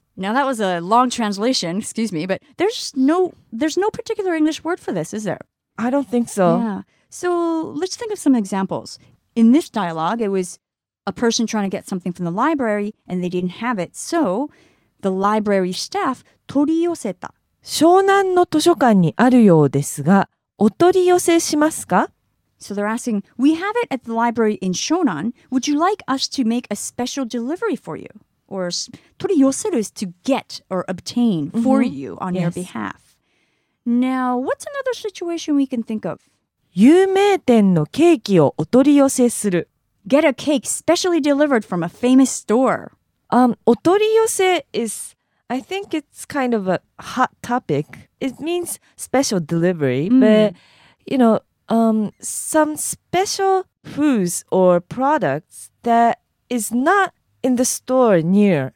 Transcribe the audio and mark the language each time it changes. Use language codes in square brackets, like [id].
[en] Now that was a long translation, excuse me, but there's no particular English word for this, is there? I don't think so. Yeah. So let's think of some examples. In this dialogue, it was a person trying to get something from the library and they didn't have it. So the library staff 取り寄せた. [ja] 湘南の図書館にあるようですが、 お取り寄せしますか? [en] So they're asking, we have it at the library in Shonan. Would you like us to make a special delivery for you? Or 取り寄せる is to get or obtain for mm-hmm. you on yes. your behalf. Now, what's another situation we can think of? [ja] 有名店のケーキをお取り寄せする。 [en] Get a cake specially delivered from a famous store. お取り寄せ is, I think it's kind of a hot topic. It means special delivery, but, you know, some special foods or products that is not in the store near,